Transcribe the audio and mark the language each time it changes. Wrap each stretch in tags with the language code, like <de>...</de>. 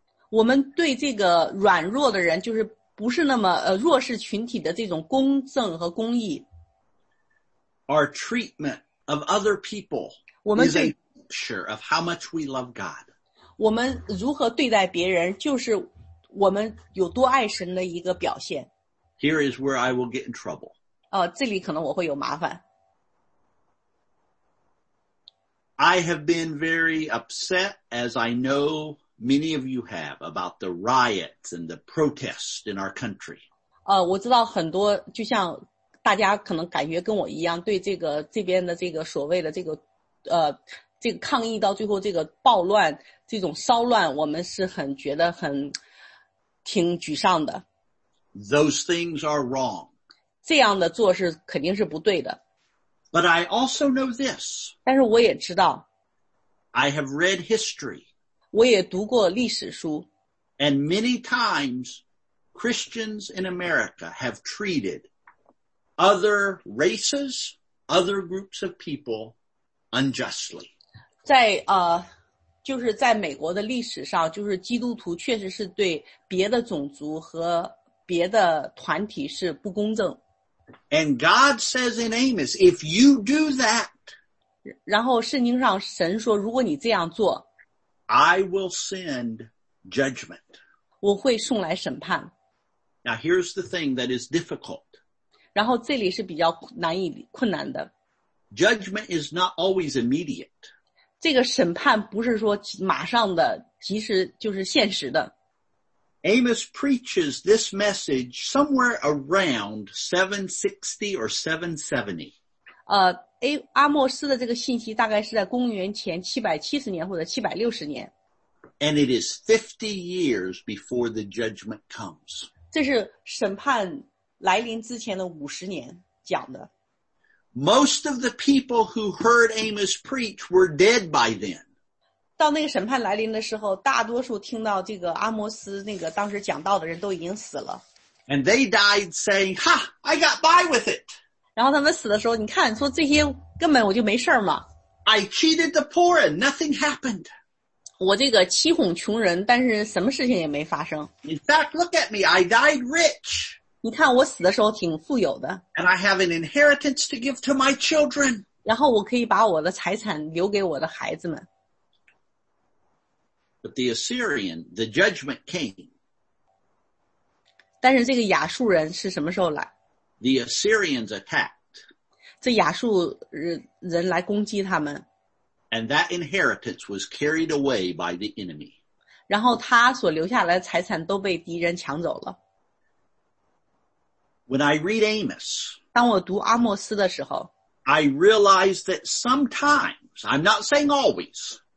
<zh>我们对这个软弱的人，就是不是那么弱势群体的这种公正和公义。</zh> <en>Our treatment of other people is a picture of how much we love God.</en> <zh>我们如何对待别人，就是我们有多爱神的一个表现。</zh> <en>Here is where I will get in trouble.</en> <zh>这里可能我会有麻烦。</zh> <en>I have been very upset, as I know many of you have, about the riots and the protests in our country.</en> <zh>我知道很多，就像大家可能感觉跟我一样，对这边的这个所谓的这个抗议到最后这个暴乱，这种骚乱，我们是很觉得很挺沮丧的。</zh> <en>Those things are wrong.</en> <zh>这样的做是肯定是不对的。</zh> <en>But I also know this.</en> <zh>但是我也知道。</zh> <en>I have read history.</en> <zh>我也读过历史书。</zh> <en>And many times, Christians in America have treated other races, other groups of people unjustly.</en> <zh>在就是在美国的历史上，就是基督徒确实是对别的种族和别的团体是不公正。</zh> <en>And God says in Amos, if you do that,</en> <zh>然后圣经上神说，如果你这样做，</zh> <en>I will send judgment.</en> <zh>我会送来审判。</zh> <en>Now here's the thing that is difficult.</en> <zh>然后这里是比较难以困难的。</zh> <en>Judgment is not always immediate.</en> <zh>这个审判不是说马上的，即时就是现实的。</zh> <en>Amos preaches this message somewhere around 760 or 770.</en> <zh>Amos의 这个信息大概是在公元前770年或者760年。</zh> <en>And it is 50 years before the judgment comes.</en> <zh>这是审判来临之前的50年讲的。</zh> <en>Most of the people who heard Amos preach were dead by then.</en> <zh>到那个审判来临的时候，大多数听到这个阿摩斯那个当时讲道的人都已经死了。</zh> <en>And they died saying, "Ha, I got by with it."</en> <zh>然后他们死的时候，你看，说这些根本我就没事嘛。</zh> <en>I cheated the poor and nothing happened.</en> <zh>我这个欺哄穷人，但是什么事情也没发生。</zh> <en>In fact, look at me, I died rich.</en> <zh>你看我死的时候挺富有的。</zh> <en>And I have an inheritance to give to my children.</en> <zh>然后我可以把我的财产留给我的孩子们。</zh> <en>But the Assyrian, the judgment came.</en> <zh>但是这个亚述人是什么时候来？</zh> <en>The Assyrians attacked.</en> <zh>这亚述人来攻击他们。</zh> <en>And that inheritance was carried away by the enemy.</en> <zh>然后他所留下来的财产都被敌人抢走了。</zh> <en>When I read Amos,</en> <zh>当我读阿莫斯的时候，</zh> <en>I realize that sometimes, I'm not saying always,</en>